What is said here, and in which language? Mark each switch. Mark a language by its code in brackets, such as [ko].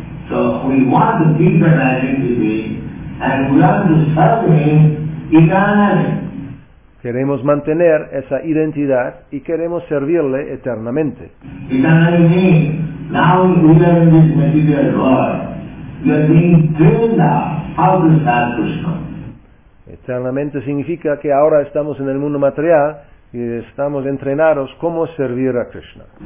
[en] So we want to keep that identity and we want to serve him eternally. [es] Queremos mantener esa identidad y queremos servirle eternamente. [en] Eternally means now we live in this material world. We are being trained up how to serve Krishna. [es] Eternamente significa que ahora estamos en el mundo material y estamos entrenados cómo servir a Krishna.